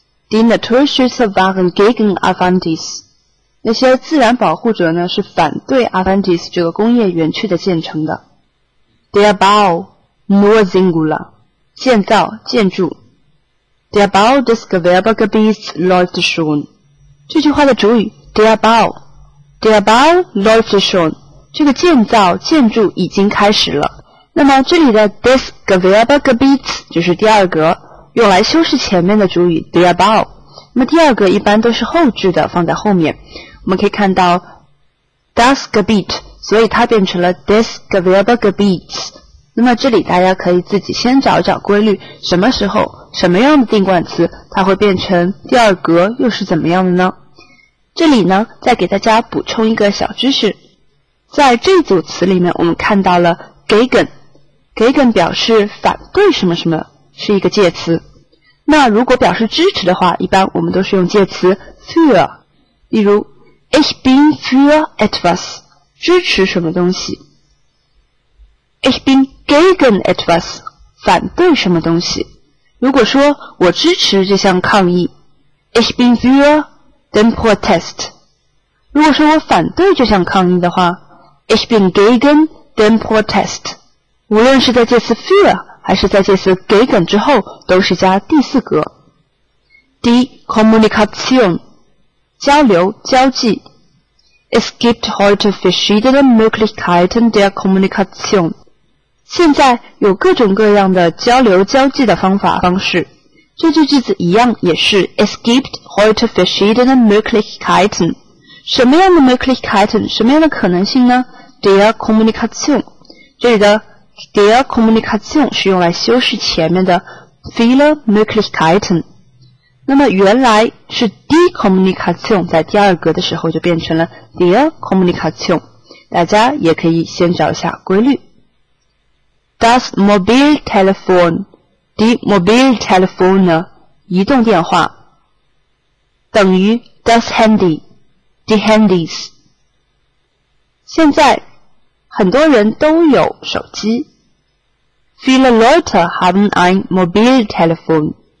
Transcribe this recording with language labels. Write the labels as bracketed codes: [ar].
[de] Die Naturschützer waren gegen Avandis. [zh] 那些自然保护者呢，是反对 Avandis 这个工业园区的建成的。 [de] Der Bau, nur singular. [zh] 建造、建筑。 [de] Der Bau des Gewerbegebiets läuft schon. [zh] 这句话的主语 Der Bau [de] läuft schon. [zh] 这个建造建筑已经开始了。那么这里的 des Gewerbegebiets 就是第二格，用来修饰前面的主语 Der Bau。那么第二格一般都是后置的，放在后面。我们可以看到 [de] Das Gebiet， [zh] 所以它变成了 des Gewerbegebiets。那么这里大家可以自己先找找规律，什么时候什么样的定冠词它会变成第二格又是怎么样的呢？这里呢再给大家补充一个小知识，在这组词里面我们看到了 gegen gegen 表示反对什么什么，是一个介词。那如果表示支持的话，一般我们都是用介词 für， 例如 [de] Ich bin für etwas， [zh] 支持什么东西。 [de] Ich bin gegen etwas， 反对什么东西。 [zh] 如果说我支持这项抗议， [de] Ich bin für den Protest， [zh] 如果说我反对这项抗议的话， [de] Ich bin gegen den Protest。 [zh] 无论是在介词 für 还是在介词 gegen 之后，都是加第四格。 [de] Die Kommunikation， 交流交际。 Es gibt heute verschiedene Möglichkeiten der Kommunikation， [zh] 现在有各种各样的交流交际的方法方式。这句句子一样也是 [de] Es gibt heute verschiedene Möglichkeiten， [zh] 什么样的 Möglichkeiten， 什么样的可能性呢？ Der Kommunikation， 这里的 Der Kommunikation 是用来修饰前面的 viele Möglichkeiten， 那么原来是 Die Kommunikation， 在第二格的时候就变成了 Der Kommunikation， 大家也可以先找一下规律。 [de] Das Mobiltelefon， die Mobiltelefone， 移动电话，等于 das Handy， die Handys。 [zh] 现在很多人都有手机， [de] viele Leute haben ein Mobiltelefon。